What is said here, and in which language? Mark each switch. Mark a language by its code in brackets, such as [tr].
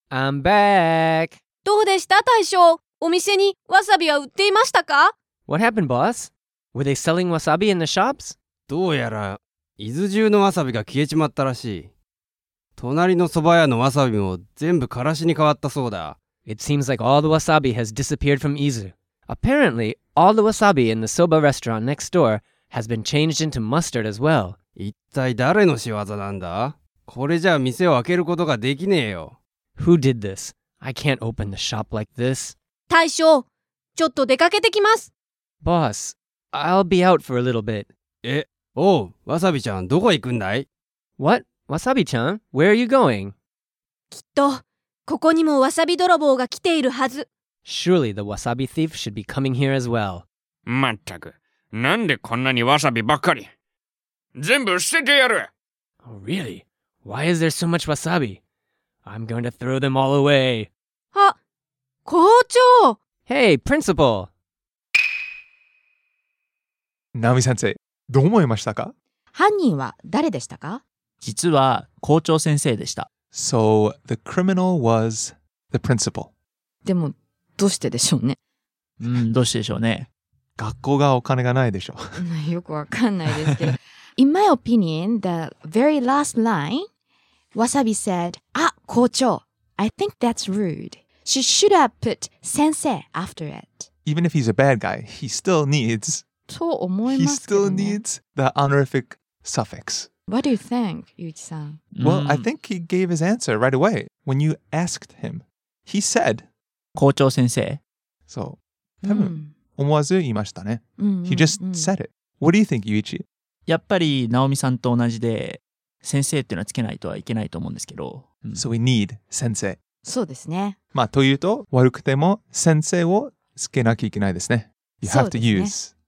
[en] I'm back. [ja] どうでした大将、お店にわさびは売っていましたか？ [en] What happened boss? Were they selling wasabi in the shops? [ja] どうやら伊豆中のわさびが消えちまったらしい。隣の蕎麦屋のわさびも全部からしに変わったそうだ。 [en] It seems like all the wasabi has disappeared from Izu. Apparently, all the wasabi in the soba restaurant next doorhas been changed into mustard as well. [ja] 一体誰の仕業なんだ？これじゃあ店を開けることができねえよ。 [en] Who did this? I can't open the shop like this. [ja] 大将、ちょっと出かけてきます。 [en] Boss, I'll be out for a little bit. [ja] え、おう、わさびちゃん、どこ行くんだい? [en] What? わさびちゃん?Where are you going? [ja] きっと、ここにもわさび泥棒が来ているはず。 [en] Surely the wasabi thief should be coming here as well. [ja] まったく、なんでこんなにわさびばっかり。全部捨ててやる。 [en] Oh, really? Why is there so much wasabi? I'm going to throw them all away. [ja] あ、校長! [en] Hey, principal! [ja] Nami-sensei, どう思いましたか? 犯人は誰でしたか? 実は校長先生でした。 [en] So, the criminal was the principal. [ja] でも、どうしてでしょうね? どうしてでしょうね? 学校がお金がないでしょう。よくわかんないですけど。 [en] In my opinion, the very last line, Wasabi said, Ah, 校長, I think that's rude. She should have put 先生 after it. Even if he's a bad guy, he still needs... [ja] と思いますけどね。 [en] He still needs the honorific suffix. What do you think, Yuichi-san? Well, I think he gave his answer right away when you asked him. He said... [ja] 校長先生. So, 多分、思わず言いましたね。 [en] He just said it. What do you think, Yuichi? [ja] やっぱりナオミさんと同じで先生っていうのはつけないとはいけないと思うんですけど、うん、 [en] So we need 先生 [ja] そうですねまあというと悪くても先生をつけなきゃいけないですね [en] You have to use